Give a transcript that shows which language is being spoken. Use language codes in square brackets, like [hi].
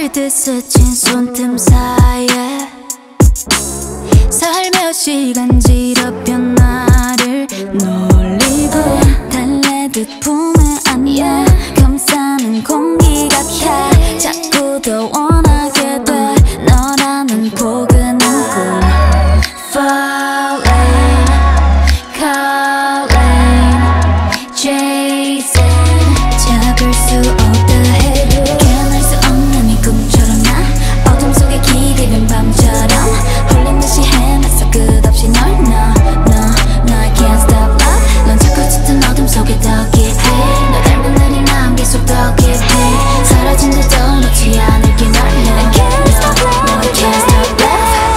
[ko] 스친 손틈 사이에 살며시 간지럽혀 나를 놀리고 달래듯 품에 안겨 감싸는 공기 같아 자꾸 더 원하게 돼 너라는 포근한 꿈. [en] Falling, calling, chasing. [ko] 잡을 수 없다 해도 깨어날 수 없는 이 꿈처럼 나 어둠 속에 길 잃은 밤처럼 홀린 듯이 헤맸어 끝없이 널 [en] No, I can't stop love. [ko] 넌 자꾸 짙은 어둠 속에 더 깊이 너 닮은 눈이 난 계속 더 깊이 사라진 듯도 놓지 않을게 널 [en] No, I can't stop love.